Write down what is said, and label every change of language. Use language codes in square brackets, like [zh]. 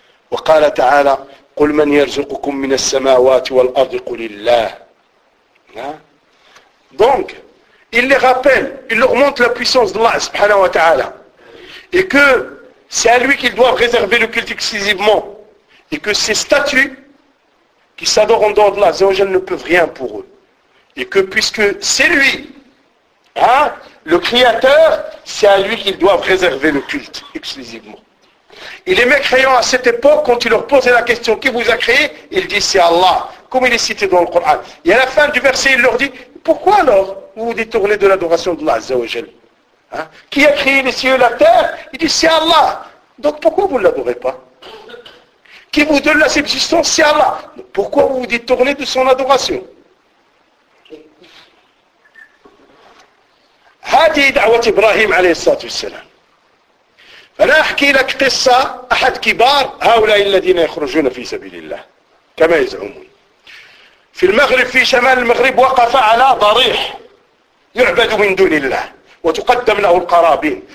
[ar] وقال تعالى قل من يرزقكم من السماوات والأرض قل الله ها دونك [fr] il les rappelle il leur montre la puissance d'Allah subhanahu wa ta'ala et que c'est à lui qu'ils doivent réserver le culte exclusivement et que ces statues qui s'adorent en dehors d'Allah, Zéogène ne peuvent rien pour eux. Et que puisque c'est lui, hein, le créateur, c'est à lui qu'ils doivent réserver le culte exclusivement. Et les mécréants à cette époque, quand ils leur posaient la question « Qui vous a créé ?», ils disent « C'est Allah », comme il est cité dans le Coran. Et à la fin du verset, il leur dit « Pourquoi alors vous vous détournez de l'adoration de Allah, Azzawajal ?» Qui a créé les cieux et la terre ?» Il dit « C'est Allah ». Donc pourquoi vous ne l'adorez pas ?« Qui vous donne la subsistance ?» C'est Allah. Donc, pourquoi vous vous détournez de son adoration ?» [ar] هذه دعوة إبراهيم عليه الصلاة والسلام. فأنا أحكي لك قصة أحد كبار هؤلاء الذين يخرجون في سبيل الله كما يزعمون. في المغرب في شمال المغرب وقف على ضريح يعبد من دون الله وتقدم له القرابين.